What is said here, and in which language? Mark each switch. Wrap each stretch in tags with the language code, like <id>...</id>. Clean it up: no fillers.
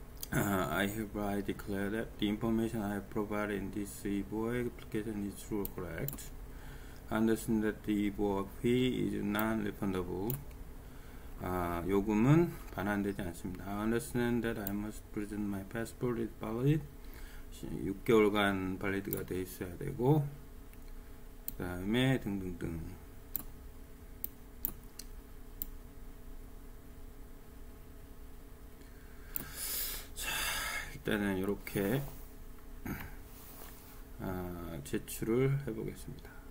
<en>I hereby declare that the information I have provided in this e-boy application is true or correct. Understand that the e-boy fee is non-refundable.</en> <ko>요금은 반환되지 않습니다.</ko> <en>I understand that I must present my passport is valid.</en> <ko>6개월간 valid가 돼 있어야 되고, 그 다음에 등등등. 일단은 이렇게 제출을 해보겠습니다.</ko>